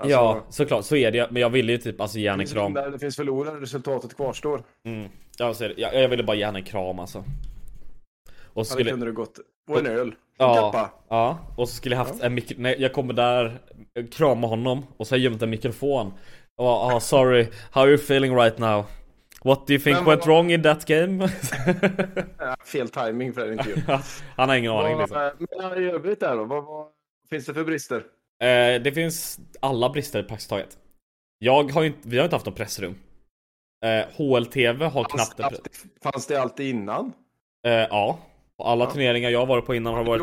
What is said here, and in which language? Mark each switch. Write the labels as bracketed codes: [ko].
[sv] Alltså, ja, såklart. Så är det. Men jag ville ju typ alltså, ge en kram. Där det finns förlorare, resultatet kvarstår. Mm. Alltså, jag ville bara ge en kram alltså. Och så skulle... Hade kunde du gått på en öl. Ja, ja, och så skulle jag haft en mikrofon. Nej, jag kommer där, krama honom. Och så har jag gömt en mikrofon. [en] Oh, sorry, how are you feeling right now? What do you think went wrong in that game? [sv] Fel timing för den intervjun. Han har ingen aning liksom. Men han är övrigt där då, vad finns det för brister? Det finns alla brister praktiskt taget. Vi har inte haft någon pressrum. HLTV har knappt det. Fanns det alltid innan? Ja. Alla turneringar jag har varit på innan har varit